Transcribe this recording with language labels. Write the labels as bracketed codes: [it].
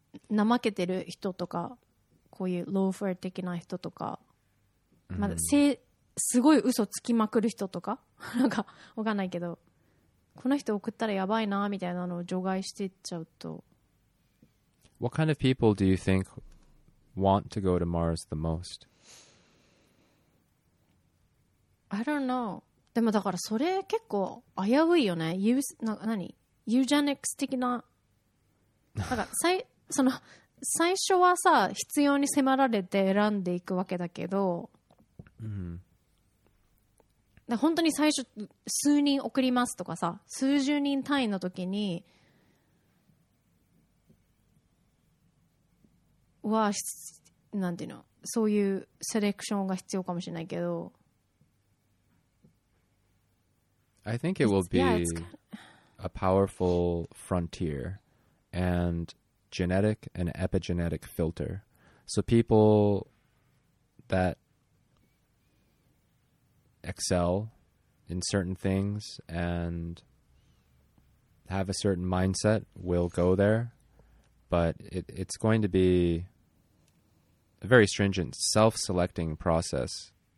[ja] 怠けてる人とかこういうローファー的な人とか、まだせ、すごい嘘つきまくる人とかなんかわかんないけど、この人送ったらやばいなみたいなのを除外していっちゃうと。 [en] What kind of people do you think want to go to Mars the most? I don't know. [ja] でもだからそれ結構危ういよね。なんか何ユージェニックス的な、なんか最その最初はさ必要に迫られて選んでいくわけだけど、 mm-hmm. だ本当に最初数人送りますとかさ数十人単位の時には何て言うのそういうセレクションが必要かもしれないけど [en] I think it will be a powerful frontier andgenetic and epigenetic filter. So people that excel in certain things and have a certain mindset will go there, but it's going to be a very stringent self-selecting process.